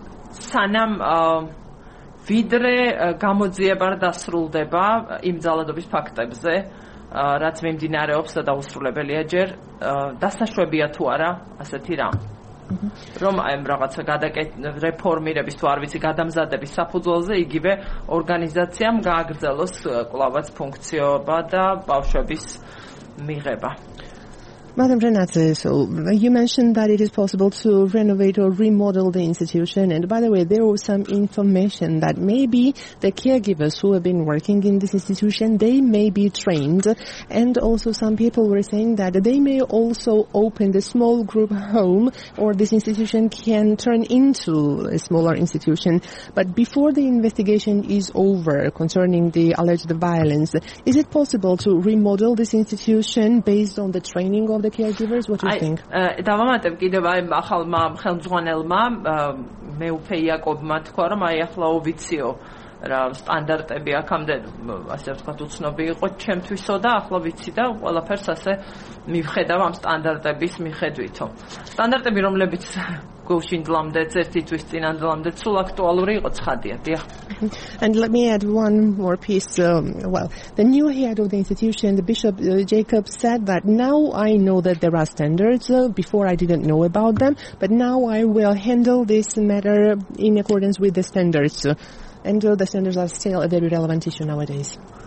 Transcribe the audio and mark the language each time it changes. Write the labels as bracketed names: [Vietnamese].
[Georgian] სანამ ვიდრე გამოძიება დასრულდება იმ ძალადობის ფაქტებზე, რაც მიმდინარეობს და დაუსრულებელია ჯერ, დასაშვებია თუ არა ასეთი რამ, რომ აი რაღაცა რეფორმირების თუ არ ვიცი გადამზადების საფუძველზე იგივე ორგანიზაციამ გააგრძელოს კვლავაც ფუნქციობა და ბავშვების მიღება. [English] Madam Renate, so you mentioned that it is possible to renovate or remodel the institution. And by the way, there was some information that maybe the caregivers who have been working in this institution, they may be trained. And also some people were saying that they may also open the small group home, or this institution can turn into a smaller institution. But before the investigation is over concerning the alleged violence, is it possible to remodel this institution based on the training of the caregivers? What do you think? [Georgian] დავამატებ კიდევ აი ახალმა ხელმძღვანელმა მეუფე იაკობმა თქვა რომ აი ახლა ვიციო რა სტანდარტები აქამდე ასე ვთქვა უცნობი იყო ჩემთვისო და ახლა ვიცი და ყველაფერს ასე მივხედავ ამ სტანდარტების მიხედვითო სტანდარტები რომლებიც გუშინდლამდე ერთი თვის წინანდლამდე სულ აქტუალური იყო ცხადია დიახ. [English] And let me add one more piece. The new head of the institution, the Bishop Jacob, said that now I know that there are standards. Before I didn't know about them, but now I will handle this matter in accordance with the standards. And the standards are still a very relevant issue nowadays.